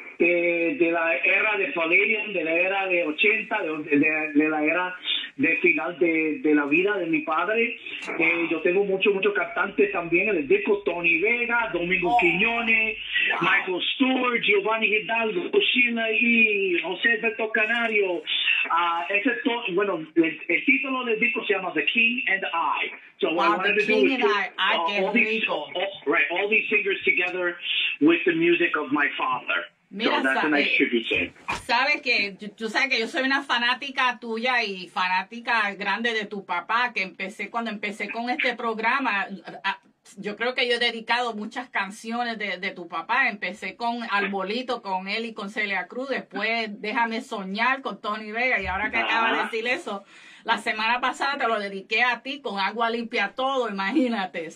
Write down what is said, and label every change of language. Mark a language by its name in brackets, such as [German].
[Spanish] de la era de familia, de la era de 80, de la era de final de la vida de mi padre. Wow. Yo tengo muchos cantantes también en el disco: Tony Vega, Domingo Quiñones, Michael Stewart, Giovanni Hidalgo, Sheila y José Alberto Canario. El título del disco se llama The King and I. [English] So what I wanted to do is all these singers together with the music of my father. [Spanish] Mira, sabes que yo soy una fanática tuya y fanática grande de tu papá, que cuando empecé con este programa, yo creo que yo he dedicado muchas canciones de tu papá. Empecé con Arbolito, con él y con Celia Cruz, después Déjame Soñar con Tony Vega, y ahora que acaba de decir eso, la semana pasada te lo dediqué a ti con Agua Limpia Todo, imagínate.